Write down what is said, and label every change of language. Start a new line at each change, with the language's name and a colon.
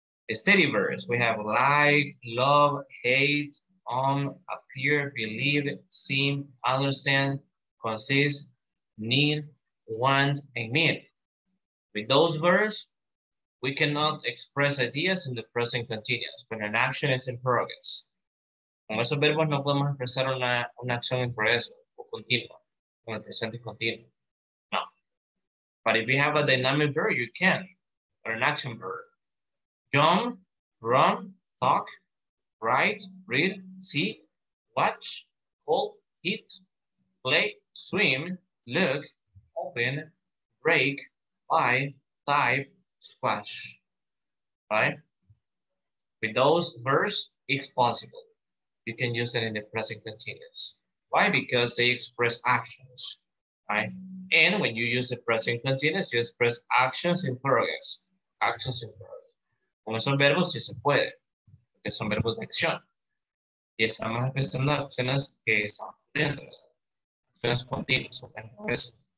English: A steady verse, we have like, love, hate, appear, believe, seem, understand, consist, need, want, and mean. With those verbs, we cannot express ideas in the present continuous when an action is in progress.
Spanish: Con esos verbos no podemos expresar una acción en progreso o continua, con el presente continuo.
English: No. But if you have a dynamic verb, you can, or an action verb. Jump, run, talk, write, read, see, watch, call, hit, play, swim, look, open, break, buy, type, squash. Right? With those verbs, it's possible. You can use it in the present continuous. Why? Because they express actions, right? And when you use the present continuous, you express actions in progress. Actions in progress.
Spanish: Con esos verbos sí se puede, porque son verbos de acción. Y estamos expresando acciones que están ocurriendo, acciones continuas, o en progreso.